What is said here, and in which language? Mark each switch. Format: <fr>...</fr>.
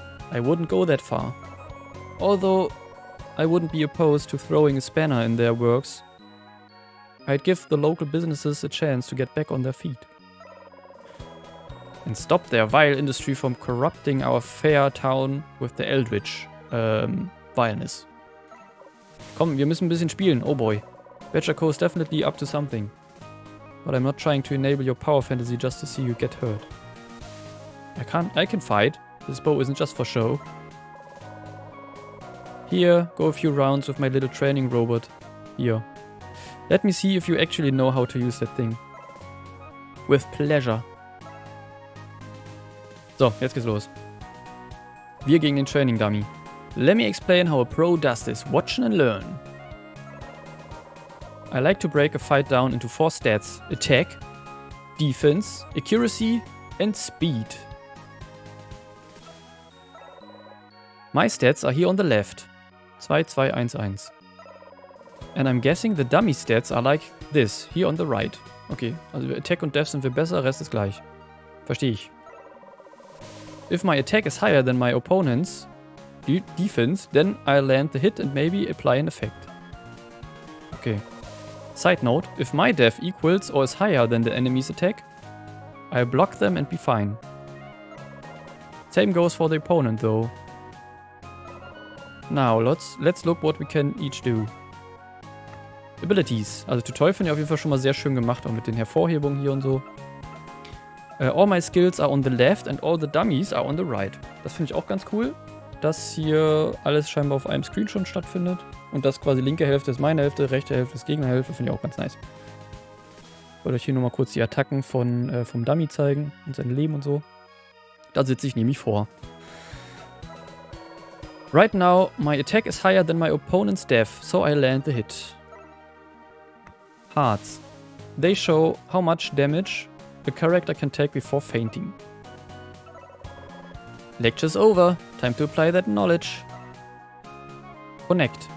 <en>I wouldn't go that far. Although, I wouldn't be opposed to throwing a spanner in their works. I'd give the local businesses a chance to get back on their feet. And stop their vile industry from corrupting our fair town with the Eldritch, vileness.</en> <de>Komm, wir müssen ein bisschen spielen, oh boy.</de> <en>Badger Co. is definitely up to something. But I'm not trying to enable your power fantasy just to see you get hurt. I can fight. This bow isn't just for show. Here, go a few rounds with my little training robot. Here. Let me see if you actually know how to use that thing. With pleasure.</en> <de>So, jetzt geht's los. Wir gegen den Training Dummy.</de> <en>Let me explain how a pro does this. Watch and learn. I like to break a fight down into four stats: Attack, Defense, Accuracy and Speed. My stats are here on the left. 2-2-1-1. And I'm guessing the dummy stats are like this, here on the right.</en> <de>Okay, also Attack und Death sind wir besser, Rest ist gleich. Verstehe ich.</de> <en>If my attack is higher than my opponent's defense, then I land the hit and maybe apply an effect. Okay. Side note, if my death equals or is higher than the enemy's attack, I block them and be fine. Same goes for the opponent though. Now, let's look what we can each do. Abilities.</en> <de>Also Tutorial finde ich auf jeden Fall schon mal sehr schön gemacht, auch mit den Hervorhebungen hier und so.</de> <en>All my skills are on the left and all the dummies are on the right.</en> <de>Das finde ich auch ganz cool, dass hier alles scheinbar auf einem Screen schon stattfindet. Und das quasi linke Hälfte ist meine Hälfte, rechte Hälfte ist Gegnerhälfte, finde ich auch ganz nice. Wollte euch hier nur mal kurz die Attacken von, vom Dummy zeigen und sein Leben und so. Da sitze ich nämlich vor.</de> <en>Right now, my attack is higher than my opponent's death, so I land the hit. Hearts. They show how much damage a character can take before fainting. Lecture's over. Time to apply that knowledge. Connect.</en>